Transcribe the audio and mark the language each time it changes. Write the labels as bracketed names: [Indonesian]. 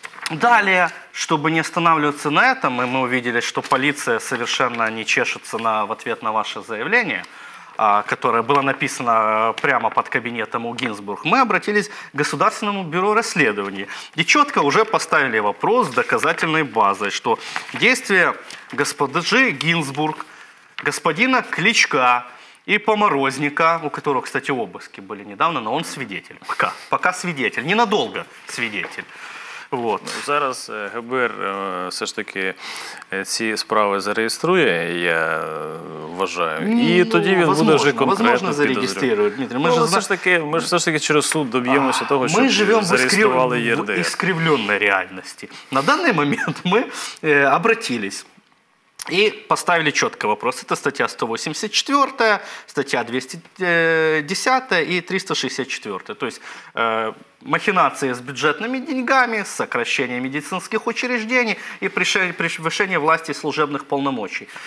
[Russian] Далее, чтобы не останавливаться на этом, и мы увидели, что полиция совершенно не чешется в ответ на ваше заявление, которое было написано прямо под кабинетом у Гинзбург, мы обратились к Государственному бюро расследований и четко уже поставили вопрос с доказательной базой, что действия госпожи Гинзбург, господина Кличка и Поморозника, у которого, кстати, обыски были недавно, но он свидетель. Пока свидетель, ненадолго свидетель. Вот. [Ukrainian] Зараз ГБР все ж таки ці справи зареєструє, я вважаю. І тоді він буде вже конкретно. Можна зареєструє, Дмитрий. Ми ж все ж таки через суд доб'ємося того, що ми живемо зареєстрували ЄРДР. В іскривленій реальності. На даний момент ми [Russian] обратились. И поставили четко вопрос. Это статья 184, статья 210 и 364. То есть махинации с бюджетными деньгами, сокращение медицинских учреждений и превышение власти и служебных полномочий.